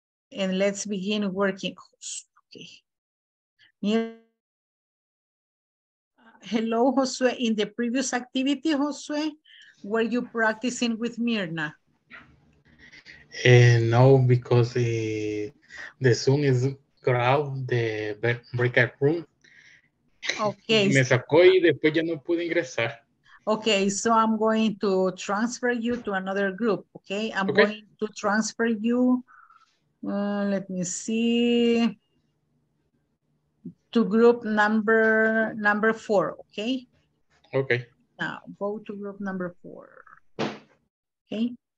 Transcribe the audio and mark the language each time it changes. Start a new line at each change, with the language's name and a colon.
English: And let's begin working. Okay. Hello, Josue. In the previous activity, Josue, were you practicing with Mirna? No, because the Zoom is crowd, the breakout room. Okay.
Spanish: Me sacó y después ya no pude ingresar.
English: Okay, so I'm going to transfer you to another group, okay? I'm okay. Going to transfer you, let me see. To group number 4, okay? Okay. Now, go to group number 4, okay?